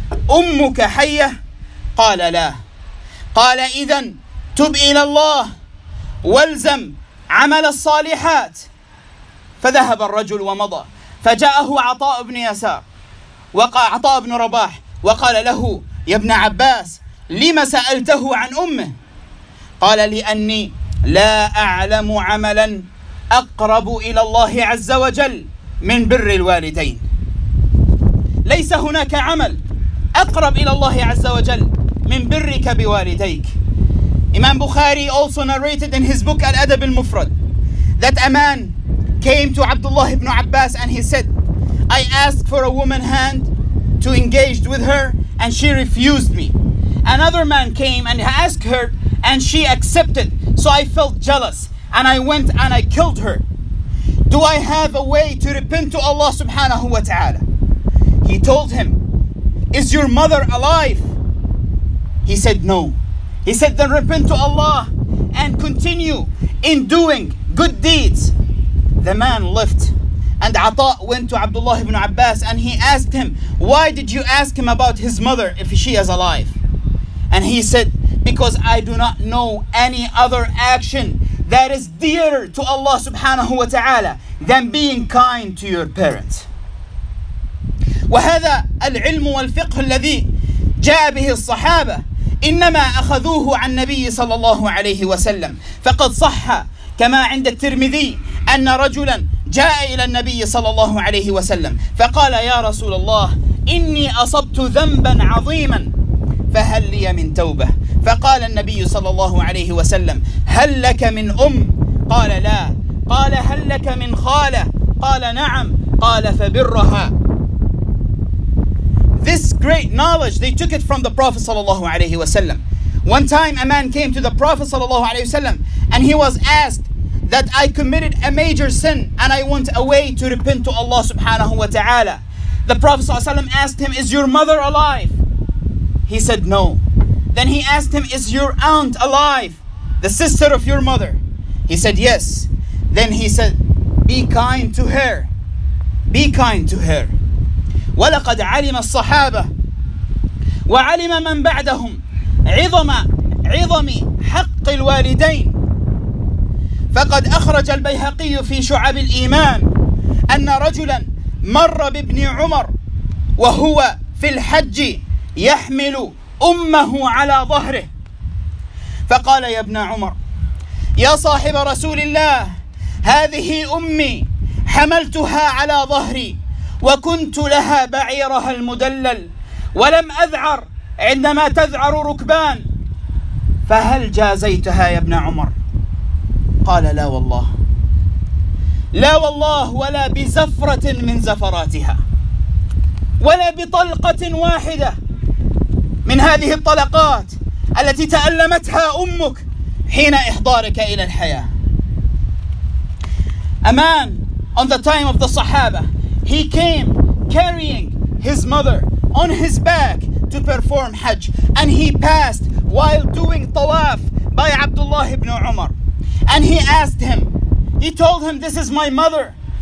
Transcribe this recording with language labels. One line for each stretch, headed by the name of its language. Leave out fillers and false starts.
Arabic: أمك حية قال لا قال إذن تب إلى الله والزم عمل الصالحات فذهب الرجل ومضى فجاءه عطاء بن يسار وقال عطاء بن رباح وقال له يا ابن عباس لما سألته عن أمه قال لأني لا أعلم عملا أقرب إلى الله عز وجل من بر الوالدين ليس هناك عمل أقرب إلى الله عز وجل من برك بوالديك.
English: Imam Bukhari also narrated in his book Al-Adab Al-Mufrad that a man came to Abdullah ibn Abbas and he said, I asked for a woman's hand to engage with her and she refused me. Another man came and asked her and she accepted. So I felt jealous and I went and I killed her. Do I have a way to repent to Allah subhanahu wa ta'ala? He told him, is your mother alive? He said, no. He said, then repent to Allah and continue in doing good deeds. The man left and Ata went to Abdullah ibn Abbas and he asked him, why did you ask him about his mother if she is alive? And he said, because I do not know any other action that is dearer to Allah subhanahu wa ta'ala than being kind to your parents.
Arabic: وهذا العلم والفقه الذي جاء به الصحابة إنما أخذوه عن النبي صلى الله عليه وسلم فقد صح كما عند الترمذي أن رجلا جاء إلى النبي صلى الله عليه وسلم فقال يا رسول الله إني أصبت ذنبا عظيما فهل لي من توبة فقال النبي صلى الله عليه وسلم هل لك من أم قال لا قال هل لك من خالة قال نعم قَالَ فَبِرَّهَا.
English: This great knowledge, they took it from the Prophet sallallahu alayhi wasallam. One time a man came to the Prophet sallallahu alayhi wasallam and he was asked that I committed a major sin and I want a way to repent to Allah subhanahu wa ta'ala. The Prophet sallallahu alayhi wasallam asked him, is your mother alive? He said no. Then he asked him, is your aunt alive? The sister of your mother? He said yes. Then he said, be kind to her. Be kind to her.
Arabic: وَلَقَدْ عَلِمَ الصَّحَابَةِ وَعَلِمَ مَنْ بَعْدَهُمْ عِظَمِ حَقِّ الْوَالِدَيْنِ فَقَدْ أَخْرَجَ الْبَيْهَقِيُّ فِي شُعَبِ الْإِيمَانِ أَنَّ رَجُلًا مَرَّ بِابْنِ عُمَرْ وَهُوَ فِي الْحَجِّ يَحْمِلُ أُمَّهُ عَلَى ظَهْرِهِ فَقَالَ يَا ابْنَ عُمَرْ يَا صَاحِبَ رَسُولِ اللَّهِ هذه أمي حملتها على ظهري وكنت لها بعيرها المدلل ولم أذعر عندما تذعر ركبان فهل جازيتها يا ابن عمر؟ قال لا والله لا والله ولا بزفرة من زفراتها ولا بطلقة واحدة من هذه الطلقات التي تألمتها أمك حين إحضارك إلى الحياة.
English: A man on the time of the Sahaba, he came carrying his mother on his back to perform Hajj. And he passed while doing Tawaf by Abdullah ibn Umar. And he asked him, he told him, this is my mother.